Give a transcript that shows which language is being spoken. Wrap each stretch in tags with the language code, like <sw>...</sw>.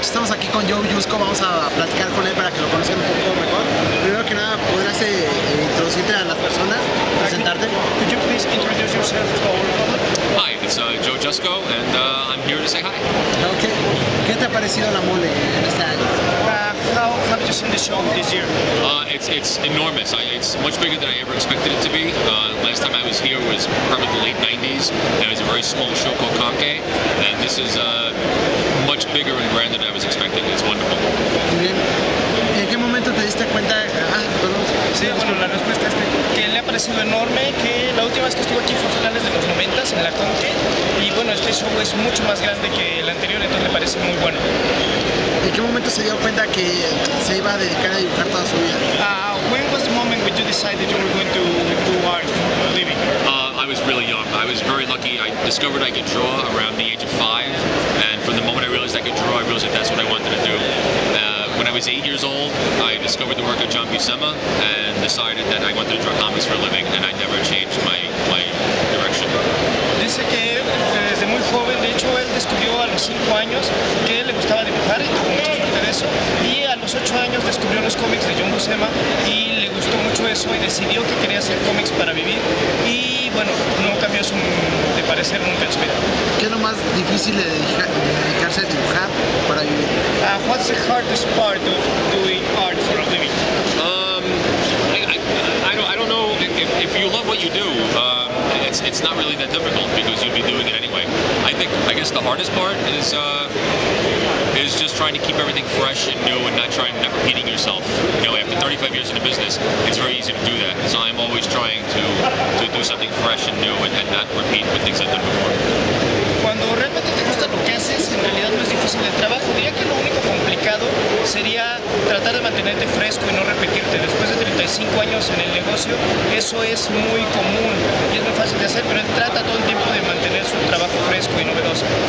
<es>Estamos aquí con Joe Jusko, vamos a platicar con él para que lo conozcan un poco mejor. Primero que nada, ¿podrías introducirte a las personas, presentarte?</es> <en>Could you please introduce yourself to all of them? Hi, it's Joe Jusko, and I'm here to say hi. Okay.</en> <es>¿Qué te ha parecido la mole en este año?</es> <en>How have you seen the show this year? It's enormous. It's much bigger than I ever expected it to be. Last time I was here was probably the late 90s, and it was a very small show called Kake. And this is much bigger and grander than I was expecting. It's wonderful.</en> <es>Muy bien. ¿En qué momento te diste cuenta? Sí, bueno, la respuesta es que le ha parecido enorme, que la última vez que estuvo aquí fue a finales de los 90s en la Conque, y bueno, este show es mucho más grande que el anterior, entonces le parece muy bueno. ¿En qué momento se dio cuenta que se iba a dedicar a dibujar toda su vida?</es> <en>When was the moment when you decided you were going to do art living? I was really young. I was very lucky. I discovered I could draw around the age of 5, and from the moment I realized I could draw, I realized that that's what I wanted to do. When I was 8 years old, I discovered the work of John Buscema and decided that I wanted to draw comics for a living, and I never changed my direction.</en> <es>Dice que desde muy joven, de hecho, él descubrió a los 5 años que le gustaba dibujar y tuvo mucho interés. Y a los 8 años descubrió los cómics de John Buscema y le gustó mucho eso y decidió que quería hacer cómics para vivir. Y bueno, no cambió su de parecer nunca en su vida. ¿Qué es lo más difícil de dedicarse a dibujar para vivir?</es> <en>What's the hardest part of doing art for a living? I don't know if you love what you do. It's not really that difficult because you'd be doing it anyway. I guess the hardest part is just trying to keep everything fresh and new and not repeating yourself. You know, after 35 years in the business, it's very easy to do that. So I'm always trying to do something fresh and new and not repeat the things I've done before.</en> <es>Cuando realmente te gusta lo que haces, en realidad no es difícil el trabajo. Diría que lo único complicado sería tratar de mantenerte fresco y no repetirte. Después de 35 años en el negocio, eso es muy común y es muy fácil de hacer, pero él trata todo el tiempo de mantener su trabajo fresco y novedoso.</es>